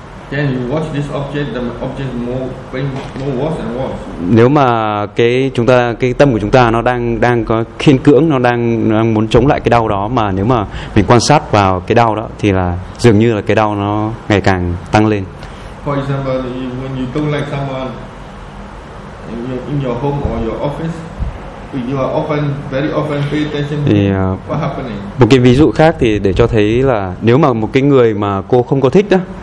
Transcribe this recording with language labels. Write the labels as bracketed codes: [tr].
[en] Then you watch this object, the object more, more worse and worse. [vi] Nếu mà cái tâm của chúng ta nó đang có khiên cưỡng, nó đang muốn chống lại cái đau đó, mà nếu mà mình quan sát vào cái đau đó thì là dường như là cái đau nó ngày càng tăng lên. [en] For example, when you don't like someone in your home or your office, you are often, very often pay attention. [vi] Thì, [en] what happening? [vi] Một cái ví dụ khác thì để cho thấy là nếu mà một cái người mà cô không có thích đó.